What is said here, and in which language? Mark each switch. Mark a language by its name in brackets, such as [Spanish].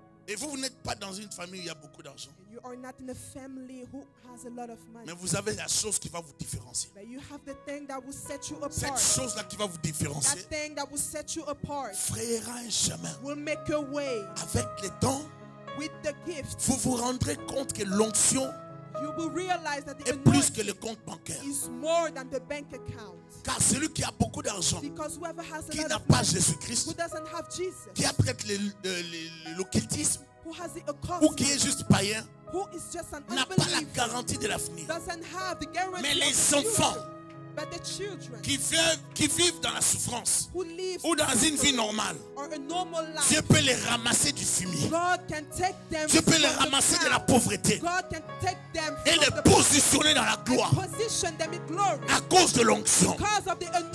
[French] Et vous, vous n'êtes pas dans une famille où il y a beaucoup d'argent. [English] You are not in a family who has a lot of money. [French] Mais vous avez la chose qui va vous différencier. [English] But you have the thing that will set you apart. [French] Cette chose-là qui va vous différencier. [English] That thing that will set you apart. [French] Frayera un chemin. [English] Will make a way. [French] Avec le temps. [English] With the gift. [French] Vous vous rendrez compte que l'onction. [English] You will realize that the [French] anointing est plus que le compte bancaire. [English] Is more than the bank account. [French] Car celui qui a beaucoup d'argent, [English] has [French] qui n'a pas Jésus-Christ, [English] who doesn't have Jesus, [French] qui a peut-être l'occultisme, [English] who has the occult, [French] ou qui est juste païen, [English] who is just an [French] n'a pas la garantie de l'avenir. [English] Doesn't have the guarantee. [French] Mais les [English] of [French] enfants [English] future, but the children, [French] qui vivent dans la souffrance, [English] who live [French] ou dans une vie normale, [English] or a normal life, [French] Dieu peut les ramasser du fumier. [English] God can take them. [French] Dieu peut les ramasser de la pauvreté. [English] God can take them [French] et les positionner dans la gloire. [English] Position them in glory. [French] À cause de l'onction. [English] Because of the anointing.